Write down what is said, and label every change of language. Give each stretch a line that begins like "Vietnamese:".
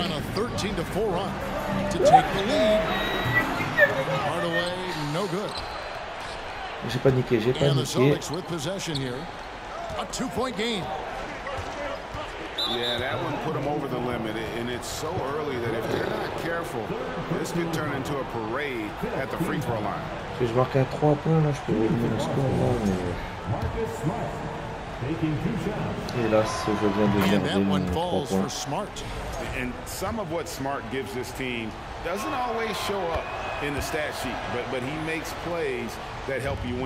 English: On a 13-4 run to take the lead. Hardaway, no good.
French: J'ai paniqué, j'ai paniqué.
English: And the Celtics with possession here. A two-point game. Yeah, that one put them over the limit, and it's so early that if they're not careful, this can turn into a parade at the free throw line.
French: Si je marque à 3 points, là, je peux revenir au score, là, mais... Et là, ce jeu vient de garder mon 3 points.
English: And some of what Smart gives this team doesn't always show up in the stat sheet, but he makes plays that help you win.